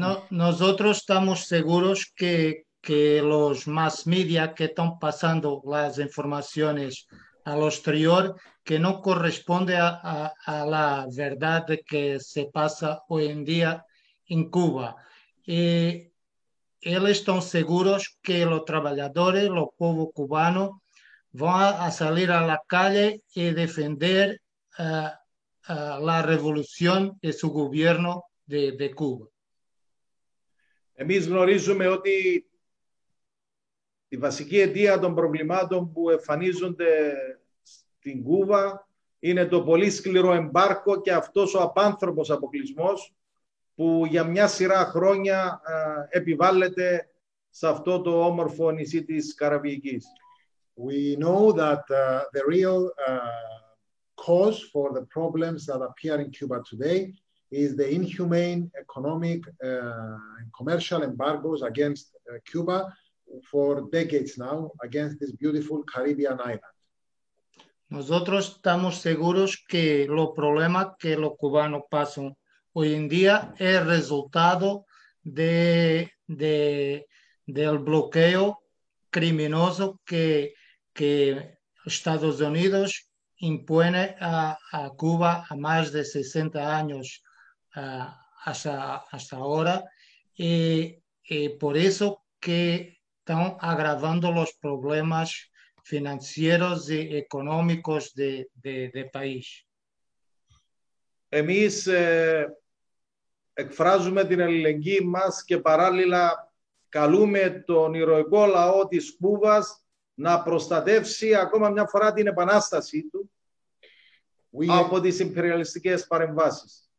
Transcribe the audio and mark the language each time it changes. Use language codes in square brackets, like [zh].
[es] Nosotros estamos seguros que los mass media que están pasando las informaciones al exterior que no corresponde a la verdad de que se pasa hoy en día en Cuba. Ellos están seguros que los trabajadores, los pueblo cubano, van a salir a la calle y defender la revolución y su gobierno de Cuba. [el] Εμείς γνωρίζουμε ότι η βασική αιτία των προβλημάτων που εμφανίζονται στην Κούβα είναι το πολύ σκληρό εμπάρκο και αυτός ο απάνθρωπος αποκλεισμός που για μια σειρά χρόνια επιβάλλεται σε αυτό το όμορφο νησί της Καραβικής. [en] We know that the real cause for the problems that appear in Cuba today is the inhumane economic and commercial embargoes against Cuba for decades now, against this beautiful Caribbean island. [es] Nosotros estamos seguros que lo problema que los cubanos pasan hoy en día es resultado del bloqueo criminoso que Estados Unidos impone a Cuba a más de 60 años. Hasta ahora y por eso que están agravando los problemas financieros y económicos de país. [el] Εμείς εκφράζουμε την αλληλεγγύη μας και παράλληλα καλούμε τον ηρωικό λαό της Κούβας να προστατεύσει ακόμα μια φορά την επανάστασή του από τις ιμπεριαλιστικές παρεμβάσεις.